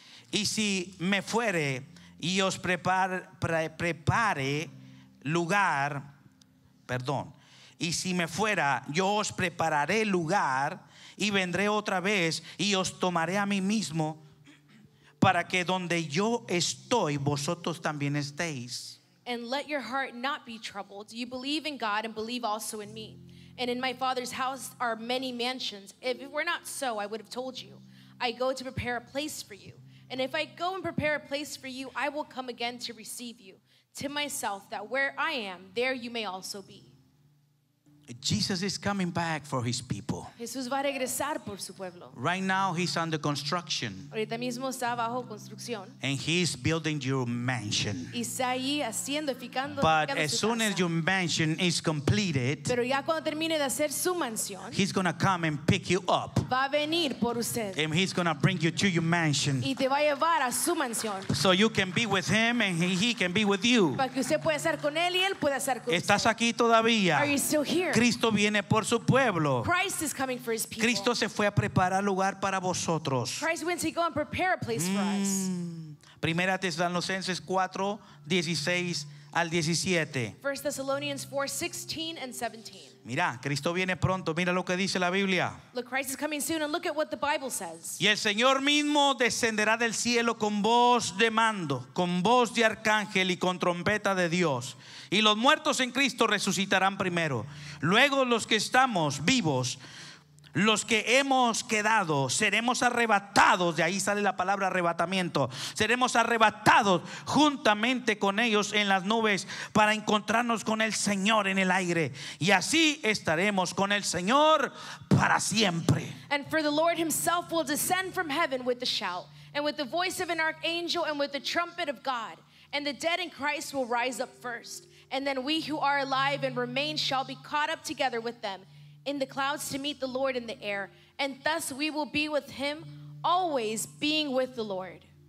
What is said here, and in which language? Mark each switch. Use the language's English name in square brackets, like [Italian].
[Spanish] Y si me fuere y os prepare lugar, perdón, y si me fuera, yo os prepararé lugar y vendré otra vez y os tomaré a mí mismo para que donde yo estoy, vosotros también estéis. [English] And let your heart not be troubled. You believe in God and believe also in me. And in my Father's house are many mansions. If it were not so, I would have told you. I go to prepare a place for you. And if I go and prepare a place for you, I will come again to receive you to myself, that where I am, there you may also be. Jesus is coming back for his people. [Spanish] Jesús va a regresar por su pueblo. [English] Right now he's under construction. [Spanish] Ahorita mismo está bajo construcción. [English] And he's building your mansion. [Spanish] Y está ahí haciendo, edificando. [English] But as soon as your mansion is completed, [Spanish] pero ya cuando termine de hacer su mansión, [English] he's going to come and pick you up. [Spanish] Va a venir por usted. [English] And he's going to bring you to your mansion. [Spanish] Y te va a llevar a su mansión. [English] So you can be with him and he can be with you. [Spanish] Para que usted pueda estar con él y él pueda estar con usted. ¿Estás aquí todavía? [English] Are you still here? [Spanish] Cristo viene por su pueblo. [English] Christ is coming for his people. [Spanish] Cristo se fue a preparar lugar para vosotros. [English] Christ went to go and prepare a place for us. [Spanish] Primera Tesalonicenses 4:16-17. [English] First Thessalonians 4:16-17. [Spanish] Mira, Cristo viene pronto. Mira lo que dice la Biblia. [English] Look, Christ is coming soon, and look at what the Bible says. [Spanish] Y el Señor mismo descenderá del cielo con voz de mando, con voz de arcángel y con trompeta de Dios. Y los muertos en Cristo resucitarán primero. Luego los que estamos vivos, los que hemos quedado, seremos arrebatados. De ahí sale la palabra arrebatamiento. Seremos arrebatados juntamente con ellos en las nubes para encontrarnos con el Señor en el aire. Y así estaremos con el Señor para siempre. [English] And for the Lord himself will descend from heaven with the shout, and with the voice of an archangel, and with the trumpet of God. And the dead in Christ will rise up first. And then we who are alive and remain shall be caught up together with them in the clouds to meet the Lord in the air, and thus we will be with him, always being with the Lord.